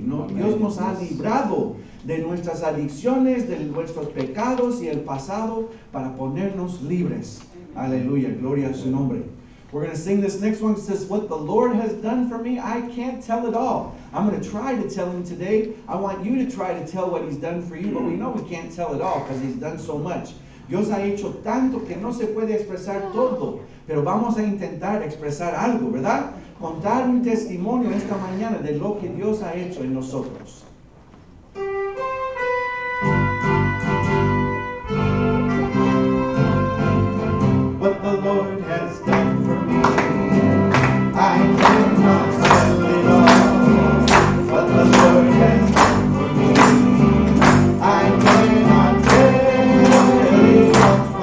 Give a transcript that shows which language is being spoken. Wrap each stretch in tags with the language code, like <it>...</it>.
<es>No, Dios nos ha librado de nuestras adicciones, de nuestros pecados y el pasado para ponernos libres. Aleluya. Gloria a su nombre.</es> <en>We're going to sing this next one. It says, what the Lord has done for me, I can't tell it all. I'm going to try to tell him today. I want you to try to tell what he's done for you, but we know we can't tell it all because he's done so much.</en> <es>Dios ha hecho tanto que no se puede expresar todo, pero vamos a intentar expresar algo, ¿verdad? Contar un testimonio esta mañana de lo que Dios ha hecho en nosotros.</es> <en>What the Lord has done for me, I cannot tell it all. What the Lord has done for me, I cannot tell it all.</en>